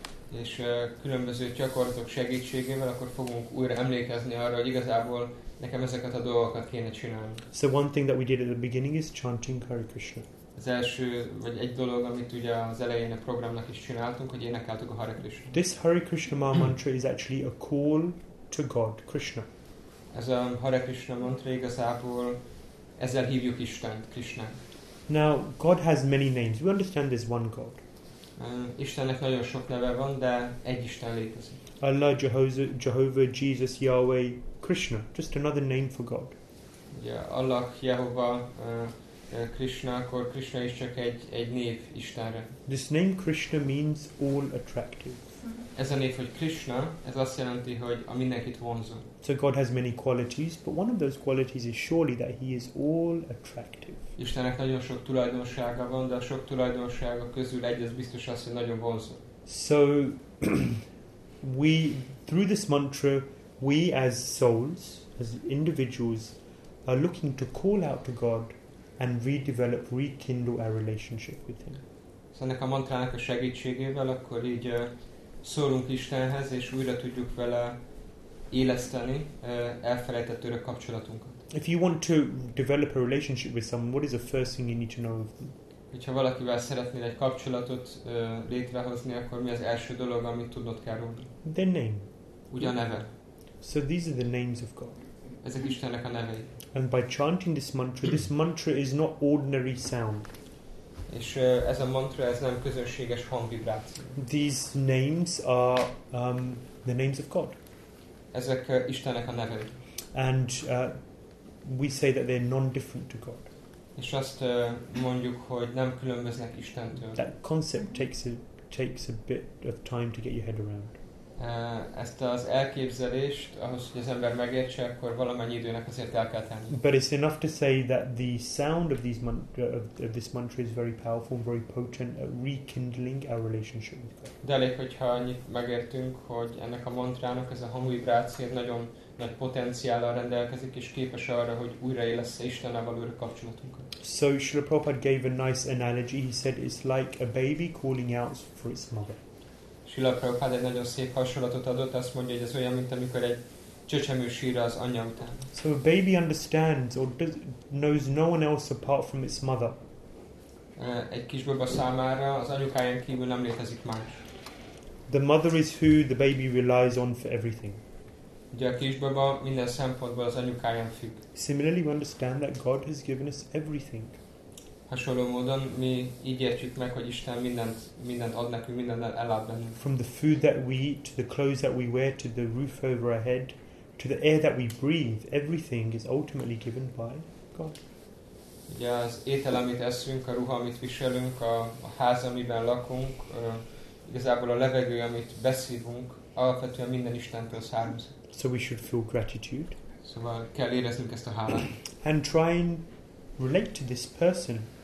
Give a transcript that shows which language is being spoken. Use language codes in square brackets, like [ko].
[hu] És különböző gyakorlatok segítségével akkor fogunk újra emlékezni arra, hogy igazából nekem ezeket a dolgokat kéne csinálni. [en] So one thing that we did at the beginning is chanting Hare Krishna. [hu] Az első, vagy egy dolog, amit ugye az elején a programnak is csináltunk, hogy énekeltük a Hare Krishna. [en] This Hare Krishna mantra is actually a call to God, Krishna. [hu] Ez a Hare Krishna mantra igazából, ezzel hívjuk Istent, Krishna. [en] Now, God has many names. We understand there's one God. [hu] Istennek nagyon sok neve van, de egy Isten létezik. [en] Allah, Jehovah, Jesus, Yahweh, Krishna. Just another name for God. [hu] Yeah, Allah, Jehovah, Krishna, akkor Krishna is csak egy név Istenre. [en] This name Krishna means all attractive. [hu] Ez a név, hogy Krishna, ez azt jelenti, hogy a mindenkit vonzó. [en] So God has many qualities, but one of those qualities is surely that he is all attractive. [hu] Istennek nagyon sok tulajdonsága van, de a sok tulajdonsága közül egy az biztos az, hogy nagyon vonzó. [en] So, we, through this mantra, we as souls, as individuals, are looking to call out to God and redevelop, rekindle our relationship with him. [hu] So ennek a mantrának a segítségével, akkor így szólunk Istenhez, és újra tudjuk vele éleszteni elfelejtett örök kapcsolatunkat. [en] If you want to develop a relationship with someone, what is the first thing you need to know of them? [hu] Hogyha valakivel szeretnél egy kapcsolatot létrehozni, akkor mi az első dolog, amit tudnod kell róla? [en] Their name. [hu] Ugye a neve. [en] So these are the names of God. [hu] Ezek Istennek a nevei. [en] And by chanting this mantra is not ordinary sound. [hu] És ez a mantra, ez nem közönséges hangvibráció. [en] These names are the names of God. [hu] Ezek Istennek a nevei. [en] And we say that they're non-different to God. [hu] És azt mondjuk, hogy nem különböznek Istentől. [en] That concept takes a bit of time to get your head around. [hu] ezt az elképzelést, ahhoz, hogy az ember megértse, akkor valamennyi időnek azért el kell tenni. [en] But it's enough to say that the sound of these this mantra is very powerful, very potent at rekindling our relationship with God. [hu] De elég, hogyha annyit megértünk, hogy ennek a mantrának ez a hangvibráció nagyon nagy potenciállal rendelkezik, és képes arra, hogy újraélessze Istennel való örök kapcsolatunkat. [en] So Srila Prabhupada gave a nice analogy. He said it's like a baby calling out for its mother. [hu] Srila Prabhupada egy nagyon szép hasonlatot adott, azt mondja, hogy ez olyan, mint amikor egy csecsemő sír az anyja után. [en] So a baby understands or knows no one else apart from its mother. [hu] Egy kisbaba számára az anyukáján kívül nem létezik más. [en] The mother is who the baby relies on for everything. [hu] Ugye a kisbaba minden szempontból az anyukáján függ. [en] Similarly, we understand that God has given us everything. [hu] Hasonló módon mi így értjük meg, hogy Isten mindent ad nekünk, mindent elad bennünk. [en] From the food that we eat, to the clothes that we wear, to the roof over our head, to the air that we breathe, everything is ultimately given by God. [hu] Ugye az étel, amit eszünk, a ruha, amit viselünk, a ház, amiben lakunk, igazából a levegő, amit beszívunk, alapvetően minden Istentől származik. [en] So we should feel gratitude. [hu] Szóval kell éreznünk ezt a hálát. [en] And try and relate to this person.